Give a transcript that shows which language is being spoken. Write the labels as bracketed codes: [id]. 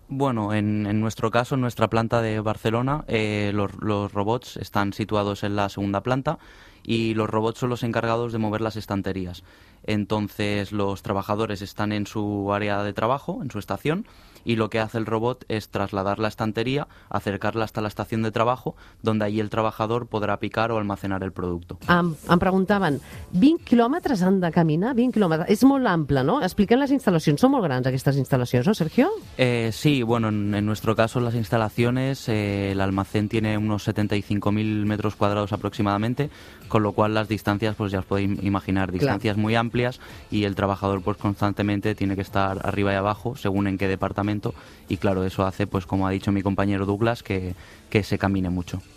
[es] Bueno, en nuestro caso, en nuestra planta de Barcelona, los robots están situados en la segunda planta, y los robots son los encargados de mover las estanterías. Entonces, los trabajadores están en su área de trabajo, en su estación, y lo que hace el robot es trasladar la estantería, acercarla hasta la estación de trabajo, donde allí el trabajador podrá picar o almacenar el producto. [ca] Em preguntaven, 20 quilòmetres han de caminar? 20 quilòmetres, és molt ample, no? Expliquem les instal·lacions, són molt grans aquestes instal·lacions, no, Sergio? [es] Sí, bueno, en nuestro caso las instalaciones, el almacén tiene unos 75.000 metros cuadrados aproximadamente, con lo cual las distancias, pues ya os podéis imaginar, distancias claro, muy amplias, y el trabajador pues constantemente tiene que estar arriba y abajo, según en qué departamento, y claro, eso hace, pues como ha dicho mi compañero Douglas, que se camine mucho.